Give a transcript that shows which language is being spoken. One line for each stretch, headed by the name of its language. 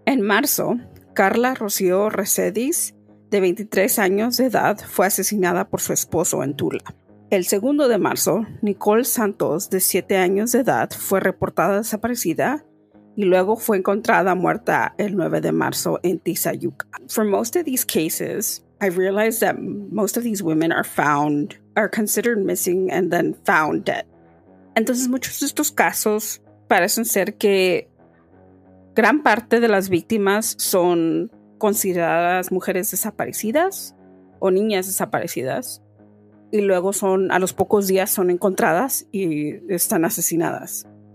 Spanish: En marzo, Carla Rocío Recedis, de 23 años de edad, fue asesinada por su esposo en Tula. El segundo de marzo, Nicole Santos, de 7 años de edad, fue reportada desaparecida y luego fue encontrada muerta el 9 de marzo en Tizayuca.
English: For most of these cases, I realized that most of these women are considered missing and then found dead.
Spanish: Entonces, muchos de estos casos parecen ser que gran parte de las víctimas son consideradas mujeres desaparecidas o niñas desaparecidas y luego son a los pocos días son encontradas y están asesinadas.